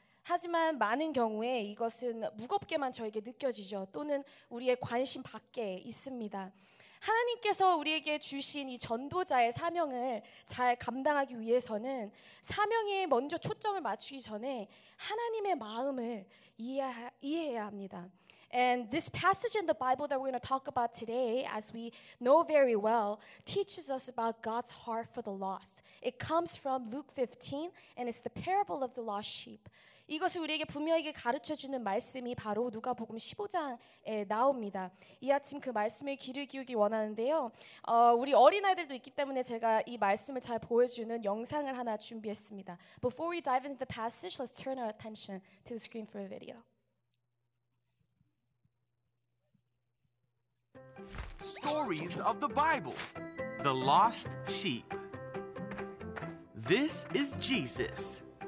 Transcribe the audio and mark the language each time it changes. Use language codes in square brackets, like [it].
[ko] 하지만 많은 경우에 이것은 무겁게만 저에게 느껴지죠. 또는 우리의 관심 밖에 있습니다. 하나님께서 우리에게 주신 이 전도자의 사명을 잘 감당하기 위해서는 사명에 먼저 초점을 맞추기 전에 하나님의 마음을 이해해야 합니다. [en] And this passage in the Bible that we're going to talk about today, as we know very well, teaches us about God's heart for the lost. It comes from Luke 15, and it's the parable of the lost sheep. [ko] 이것을 우리에게 분명하게 가르쳐주는 말씀이 바로 누가복음 15장에 나옵니다. 이 아침 그 말씀을 귀를 기울이기 원하는데요. 우리 어린아이들도 있기 때문에 제가 이 말씀을 잘 보여주는 영상을 하나 준비했습니다. [en] Before we dive into the passage, let's turn our attention to the screen for a video. Stories of the Bible. The Lost Sheep. This is Jesus.